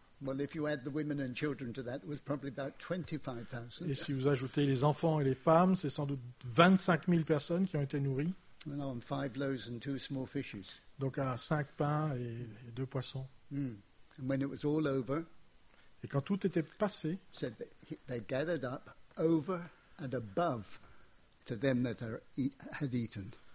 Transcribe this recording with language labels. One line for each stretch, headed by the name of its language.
English: Well, if you add the women and children to that, it was probably about 25,000.
French: Et si vous ajoutez les enfants et les femmes, c'est sans doute 25,000 personnes qui ont été nourries.
English: On five loaves and two small fishes.
French: Donc à 5 pains et 2 poissons.
English: Mm. And when it was all over,
French: et quand tout était passé,
English: said they gathered up over and above to them that had eaten.